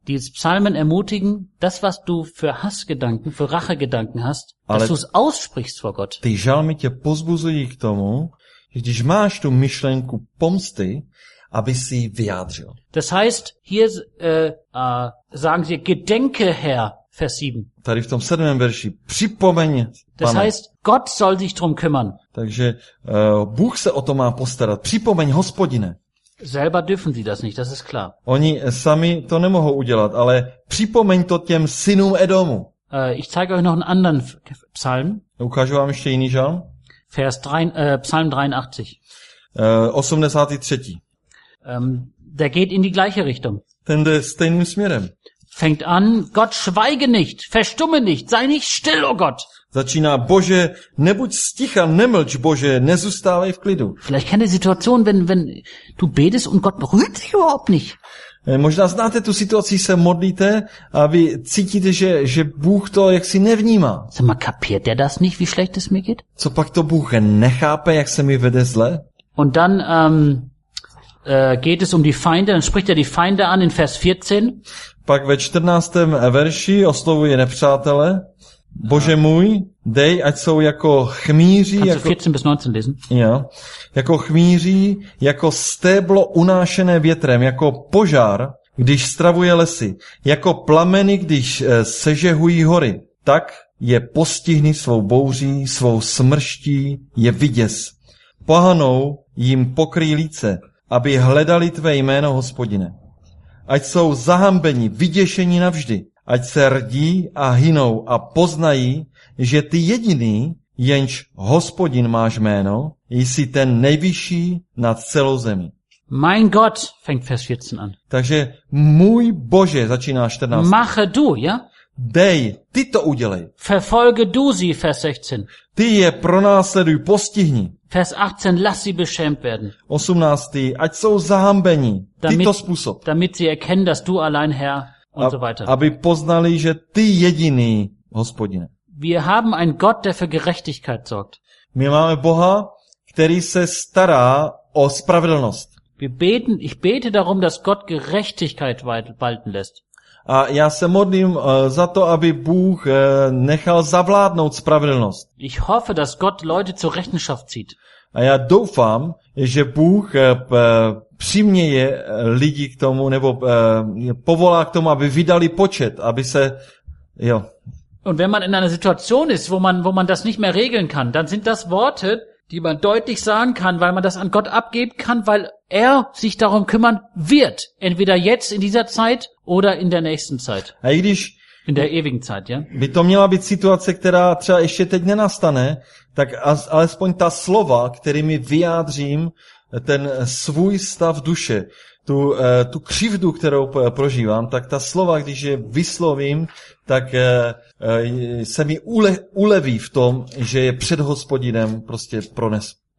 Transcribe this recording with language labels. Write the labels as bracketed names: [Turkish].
[German] Diese Psalmen ermutigen, das was du für Hassgedanken, für Rachegedanken hast, ale dass du es aussprichst vor Gott. [Czech] Ty žalmy tě pozbuzují k tomu, když máš tu myšlenku pomsty, aby si ji vyjádřil. [German] Das heißt, hier sagen sie, gedenke Herr, Vers 7. [Czech] Tady v tom 7. verši, připomeň, pane. [German] Das heißt, Gott soll sich drum kümmern. [Czech] Takže Bůh se o to má postarat. Připomeň, Hospodine. [German] Selber dürfen sie das nicht, das ist klar. [Czech] Oni sami to nemohou udělat, ale připomeň to těm synům Edomu. [German] Ich zeige euch noch einen anderen Psalm. [Czech] Ukážu vám ještě jiný žalm. [German] Psalm 83. [Czech] 83. [German] Der geht in die gleiche Richtung. [Czech] Ten jde stejným směrem. [German] Fängt an, Gott schweige nicht, verstumme nicht, sei nicht still, oh Gott. [Czech] Začíná, Bože, nebuď sticha, nemlč, Bože, nezůstávej v klidu. [German] Vielleicht kennt ihr Situation, wenn du betest und Gott berührt dich überhaupt nicht. [Czech] Možná znáte tu situaci, se modlíte a vy cítíte, že Bůh to jaksi nevnímá. [German] Sag mal, kapiert der das nicht, wie schlecht es mir geht? [Czech] Co pak to Bůh nechápe, jak se mi vede zle? [German] Und dann geht es um die Feinde, dann spricht er die Feinde an in Vers 14. [Czech] Pak ve 14. verši oslovuje nepřátele. Bože můj, dej, ať jsou jako chmíří, jako [German] 14 bis 19 lesen. [Czech] Ja, jako chmíří, jako stéblo unášené větrem, jako požár, když stravuje lesy, jako plameny, když sežehují hory, tak je postihni svou bouří, svou smrští, je viděs. Pohanou jim pokryj líce, aby hledali tvé jméno, Hospodine. Ať jsou zahambeni, vyděšeni navždy, ať se rdí a hynou a poznají, že ty jediný, jenž Hospodin máš jméno, jsi ten nejvyšší nad celou zemí. [German] Mein Gott, fängt Vers 14 an. [Czech] Takže můj Bože, začíná 14. [German] Mache du, ja? [Czech] Dej, ty to udělej. [German] Verfolge du sie, Vers 16. [Czech] Ty je pronásleduj, postihni. [German] Vers 18, lass sie beschämt werden. [Czech] 18. Ať jsou zahambeni, tyto způsob. [German] Damit sie erkennen, dass du allein Herr und so weiter. [Czech] Aby poznali, že ty jediný, Hospodine. [German] Wir haben einen Gott, der für Gerechtigkeit sorgt. [Czech] My máme Boha, který se stará o spravedlnost. [German] Ich bete darum, dass Gott Gerechtigkeit walten lässt. [Czech] A já se modlím za to, aby Bůh nechal zavládnout spravedlnost. [German] Ich hoffe, dass Gott Leute zur Rechenschaft zieht. [Czech] A já doufám, že Bůh přiměje lidi k tomu, nebo povolá k tomu, aby vydali počet, aby se, jo. [German] Und wenn man in einer Situation ist, wo man das nicht mehr regeln kann, dann sind das Worte, die man deutlich sagen kann, weil man das an Gott abgeben kann, weil er sich darum kümmern wird, entweder jetzt in dieser Zeit oder in der nächsten Zeit. [Czech] A i když [German] in der ewigen Zeit, ja? [Czech] By to měla být situace, která třeba ještě teď nenastane, tak alespoň ta slova, kterými vyjádřím ten svůj stav duše, tu křivdu, kterou prožívám, tak ta slova, když je vyslovím, tak se mi uleví v tom, že je před Hospodinem prostě pronesl.